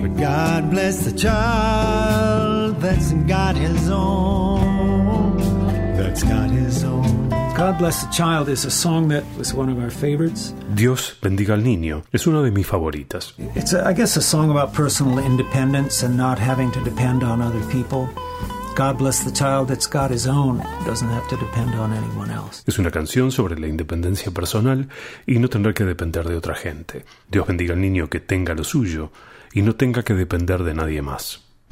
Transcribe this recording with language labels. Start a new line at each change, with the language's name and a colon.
English: God bless the child that's got his own, that's got his own. God bless the child is a song that was one of our favorites.
Spanish: Dios bendiga al niño es una de mis favoritas.
English: It's, a, I guess, a song about personal independence and not having to depend on other people. God bless the child that's got his own, doesn't have to depend on anyone else.
Spanish: Es una canción sobre la independencia personal y no tener que depender de otra gente. Dios bendiga al niño que tenga lo suyo y no tenga que depender de nadie más.